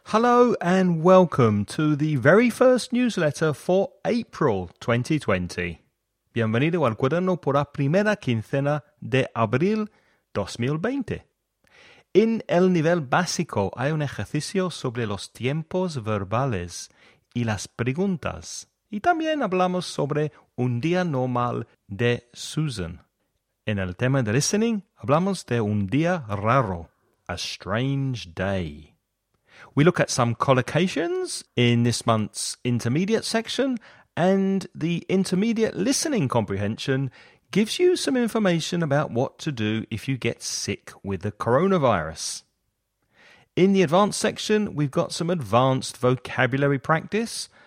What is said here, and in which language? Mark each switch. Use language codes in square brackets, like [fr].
[en] Hello and welcome to the very first newsletter for April 2020. [es] Bienvenido al cuaderno por la primera quincena de abril 2020. En el nivel básico hay un ejercicio sobre los tiempos verbales y las preguntas. Y también hablamos sobre un día normal de Susan. En el tema de listening, hablamos de un día raro, [en] a strange day. We look at some collocations in this month's intermediate section, and the intermediate listening comprehension gives you some information about what to do if you get sick with the coronavirus. In the advanced section, we've got some advanced vocabulary practice.